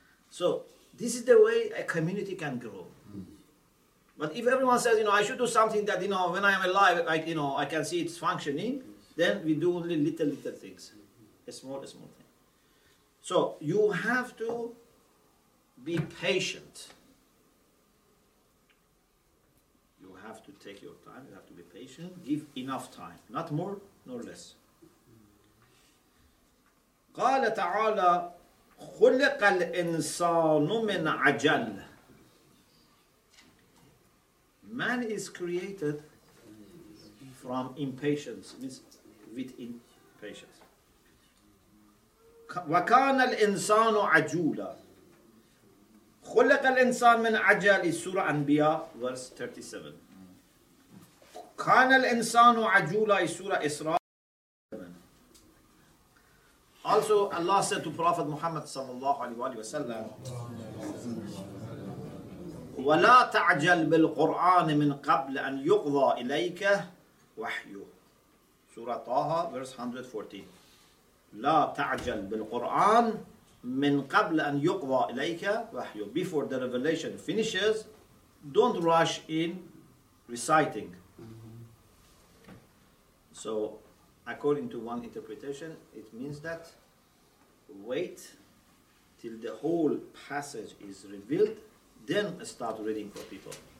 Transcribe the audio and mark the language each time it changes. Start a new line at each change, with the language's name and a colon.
English: So this is the way a community can grow. But if everyone says, you know, I should do something that, you know, when I am alive, like, you know, I can see it's functioning, then we do only little things. A small thing. So you have to be patient. Have to take your time, you have to be patient, give enough time, not more nor less.
Arabic: قال تعالى خلق الانسان من عجل.
English: Man is created from impatience, means with impatience.
Arabic: وكان الانسان عجولا. خلق الانسان من عجل
English: is Surah Anbiya, verse 37.
Arabic: Kana al-insanu ajula
English: is Surah Isra. Also Allah said to Prophet Muhammad sallallahu alaihi wasallam,
Arabic: ولا تعجل بالقرآن من قبل أن يقضى إليك وحيه. سورة طه verse 114. لا تعجل بالقرآن من قبل أن يقضى إليك وحيه.
English: Before the revelation finishes, don't rush in reciting. So, according to one interpretation, it means that wait till the whole passage is revealed, then start reading for people.